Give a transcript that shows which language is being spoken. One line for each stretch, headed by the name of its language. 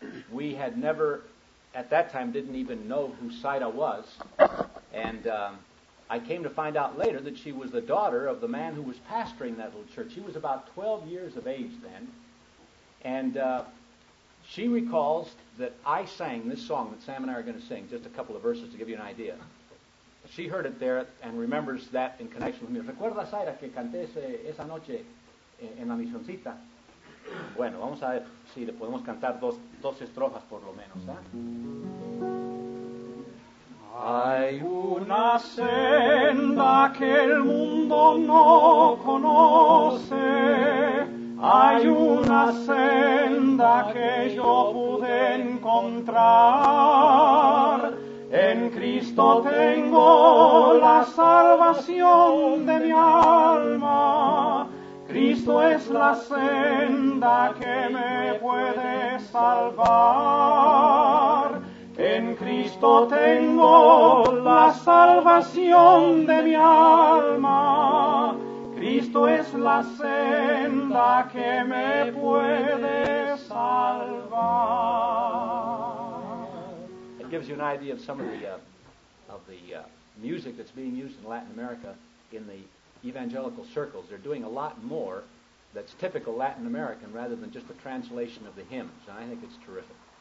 English: We had never, at that time, didn't even know who Saida was, and I came to find out later that she was the daughter of the man who was pastoring that little church. He was about 12 years of age then, and she recalls that I sang this song that Sam and I are going to sing, just a couple of verses to give you an idea. She heard it there and remembers that in connection with me.
Spanish: ¿Recuerda, Saida, que canté esa noche en la misioncita? Bueno, vamos a ver si le podemos cantar dos estrofas por lo menos. ¿Eh? Hay una senda que el mundo no conoce. Hay una senda que yo pude encontrar. En Cristo tengo la salvación de mi alma. Cristo es la senda que me puede salvar. En Cristo tengo la salvación de mi alma. Cristo es la senda que me puede salvar.
English: Gives you an idea of some of the music that's being used in Latin America in the evangelical circles. They're doing a lot more that's typical Latin American rather than just a translation of the hymns, and I think it's terrific.